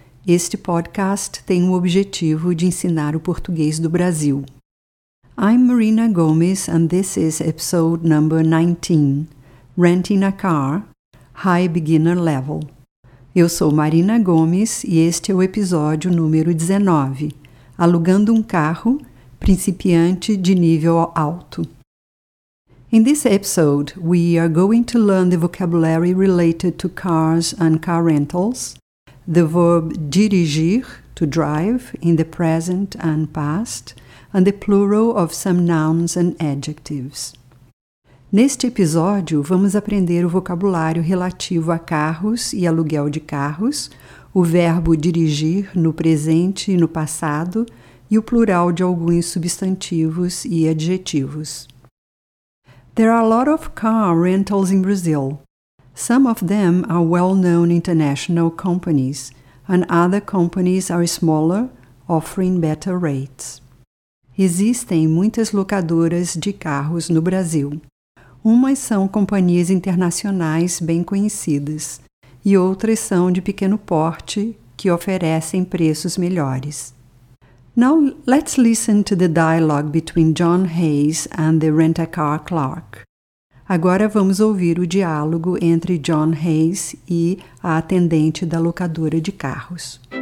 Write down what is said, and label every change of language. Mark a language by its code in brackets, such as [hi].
[pt] Este podcast tem o objetivo de ensinar o português do Brasil. [en] I'm Marina Gomes and this is episode number 19, Renting a Car, High Beginner Level. [pt] Eu sou Marina Gomes e este é o episódio número 19, Alugando um Carro, Principiante de Nível Alto. [en] In this episode, we are going to learn the vocabulary related to cars and car rentals, the verb dirigir, to drive, in the present and past, and the plural of some nouns and adjectives. [pt] Neste episódio, vamos aprender o vocabulário relativo a carros e aluguel de carros, o verbo dirigir no presente e no passado, e o plural de alguns substantivos e adjetivos. [en] There are a lot of car rentals in Brazil. Some of them are well-known international companies, and other companies are smaller, offering better rates. [pt] Existem muitas locadoras de carros no Brasil. Umas são companhias internacionais bem conhecidas, e outras são de pequeno porte, que oferecem preços melhores. [en] Now, let's listen to the dialogue between John Hayes and the rent-a-car clerk. [pt] Agora vamos ouvir o diálogo entre John Hayes e a atendente da locadora de carros.